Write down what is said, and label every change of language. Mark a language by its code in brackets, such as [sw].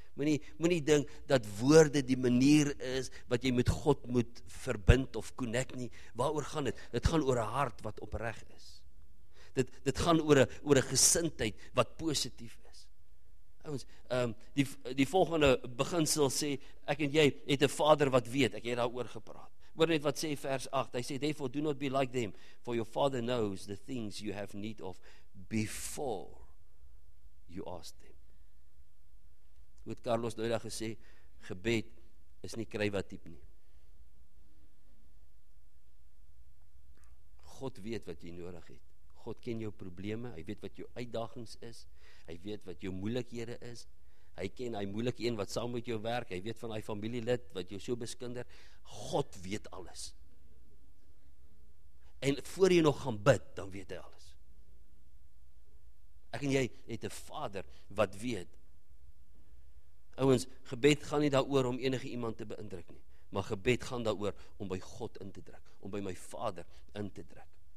[af] Moenie dink dat woorde die manier is wat jy met God moet verbind of connect nie. Waaroor gaan dit? Dit gaan oor 'n hart wat opreg is. Dit gaan oor 'n gesindheid wat positief is. Ouens, die volgende beginsel sê, ek en jy het 'n Vader wat weet, ek het daar oor gepraat. Hoor net wat sê vers 8, hy sê, [en] therefore do not be like them, for your Father knows the things you have need of before you ask them. [af] Hoe het Carlos nou daar gesê, gebed is nie krywatiep nie. God weet wat jy nodig het. God ken jou probleme, hy weet wat jou uitdagings is, hy weet wat jou moeilikhede is, hy ken hy moeilike een wat saam met jou werk, hy weet van hy familielid wat jou so beskinder, God weet alles. En voor jy nog gaan bid, dan weet hy alles. Ek en jy het 'n Vader wat weet. Ouens, gebed gaan nie daaroor om enige iemand te beïndruk nie, maar gebed gaan daaroor om by God in te druk, om by my Vader in te druk.